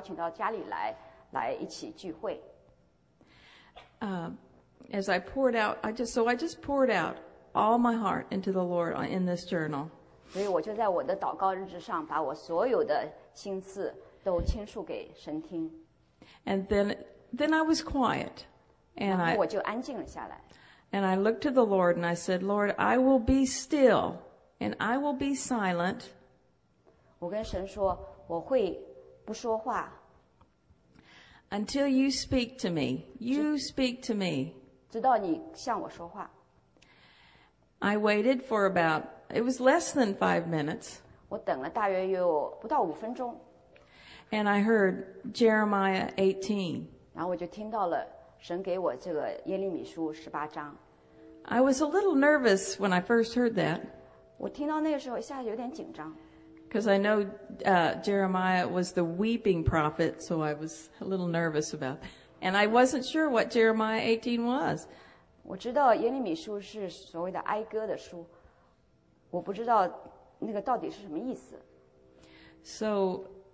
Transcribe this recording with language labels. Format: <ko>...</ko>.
<zh>我就把我怎么样的心愿，我希望家里就能够很快的整齐起来，我可以把朋友邀请到家里来，来一起聚会。</zh> <en>So I just poured out all my heart into the Lord in this journal.</en> <zh>所以我就在我的祷告日志上把我所有的心思都倾诉给神听。</zh> <en>And then I was quiet.</en> <zh>然后我就安静了下来。</zh> <en>And I looked to the Lord and I said, Lord, I will be still. And I will be silent.</en> <zh>我跟神说，我会不说话。</zh> <en>Until you speak to me, you speak to me.</en> <zh>直到你向我说话。</zh> <en>I waited for about, it was less than 5 minutes.</en> <zh>我等了大约有不到5分钟。</zh> <en>And I heard Jeremiah 18.</en> <zh>然后我就听到了神给我这个耶利米书18章。</zh> <en>I was a little nervous when I first heard that.</en> <zh>我听到那个时候一下有点紧张。</zh> <en>Because I know Jeremiah was the weeping prophet, so I was a little nervous about that. And I wasn't sure what Jeremiah 18 was.</en> <zh>我知道耶利米书是所谓的哀歌的书，我不知道那个到底是什么意思。</zh> <en>So,</en>